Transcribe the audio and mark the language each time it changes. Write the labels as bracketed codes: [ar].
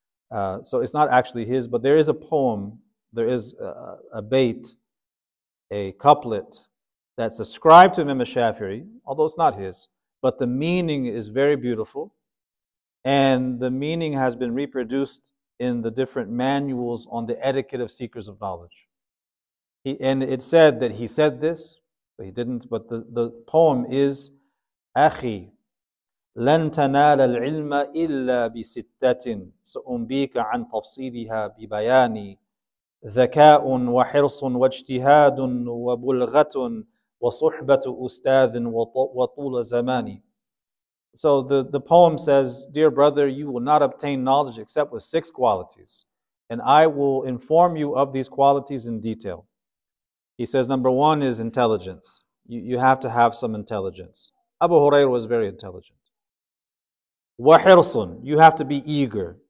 [en] So it's not actually his, but there is a poem, there is a bait, a couplet that's ascribed to Imam al-Shafi'i, although it's not his, but the meaning is very beautiful. And the meaning has been reproduced in the different manuals on the etiquette of seekers of knowledge. And it said that he said this, but he didn't. But the poem is, [ar] أخي لن تنال العلم إلا بستة سأنبيك عن تفصيلها ببياني ذكاء وحرص واجتهاد وبلغة وصحبة أستاذ وطول زماني. [en] So the poem says, dear brother, you will not obtain knowledge except with six qualities. And I will inform you of these qualities in detail. He says, number one is intelligence. You have to have some intelligence. Abu Hurayra was very intelligent. Wahirsun, you have to be eager.